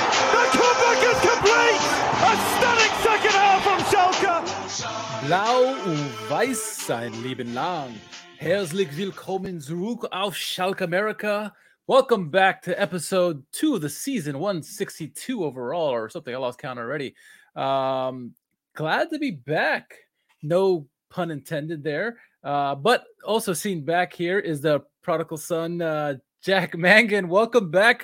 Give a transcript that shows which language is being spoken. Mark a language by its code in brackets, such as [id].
[en] The comeback is complete! A stunning second half from Schalke! [de] Blau und Weiß sein Leben lang. Herzlich willkommen zurück auf Schalke America. [en] Welcome back to episode 2 of the season, 162 overall or something. I lost count already. Glad to be back. No pun intended there. But also seen back here is the prodigal son, Jack Mangan. Welcome back.